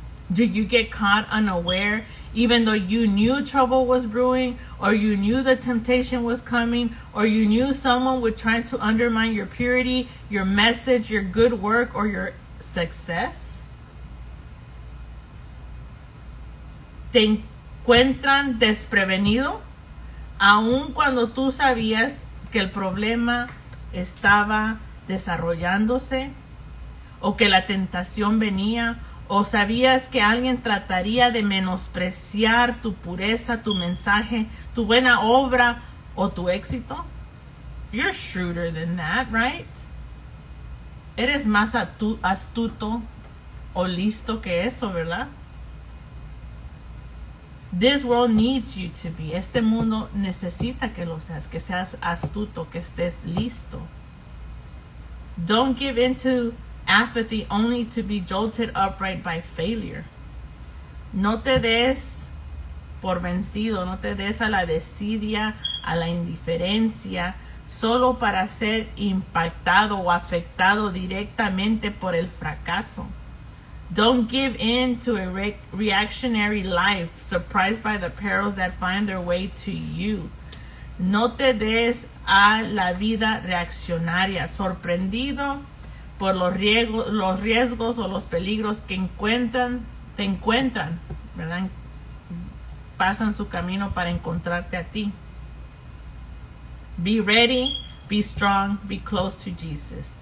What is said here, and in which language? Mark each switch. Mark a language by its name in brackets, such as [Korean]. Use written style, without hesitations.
[English] Did you get caught unaware, even though you knew trouble was brewing, or you knew the temptation was coming, or you knew someone would try to undermine your purity, your message, your good work, or your success? [Spanish] Te encuentran desprevenido, aun cuando tú sabías que el problema estaba desarrollándose, o que la tentación venía, o sabías que alguien trataría de menospreciar tu pureza, tu mensaje, tu buena obra, o tu éxito. [English] You're shrewder than that, right? [Spanish] Eres más astuto o listo que eso, ¿verdad? [English] This world needs you to be. [Spanish] Este mundo necesita que lo seas, que seas astuto, que estés listo. [English] Don't give in to apathy only to be jolted upright by failure. [Spanish] No te des por vencido, no te des a la desidia, a la indiferencia, solo para ser impactado o afectado directamente por el fracaso. [English] Don't give in to a reactionary life surprised by the perils that find their way to you. [Spanish] No te des a la vida reaccionaria, sorprendido por los riesgos o los peligros que encuentran, te encuentran, ¿verdad? Pasan su camino para encontrarte a ti. [English] Be ready, be strong, be close to Jesus.